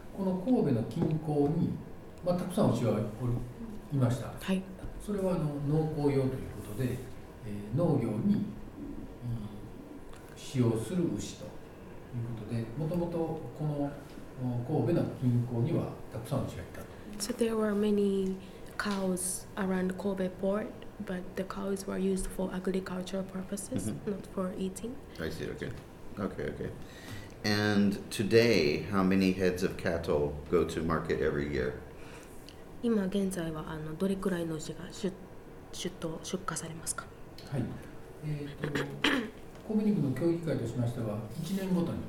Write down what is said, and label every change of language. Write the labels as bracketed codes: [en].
[ja] この神戸の近郊に、まあ、たくさん牛はいました、はい、それはあの農耕用ということで、農業に使用する牛ということで、もともとこの神戸の近郊にはたくさん牛がいたと。 [en] So there were many cows around Kobe port, but the cows were used for agricultural purposes, mm-hmm. not for eating. I see, okay. And today, how many heads of cattle go to market every year? [ja] 今現在はどれくらいの牛が出荷されますか？はい。神戸肉の協議会としましては、1年ごとに、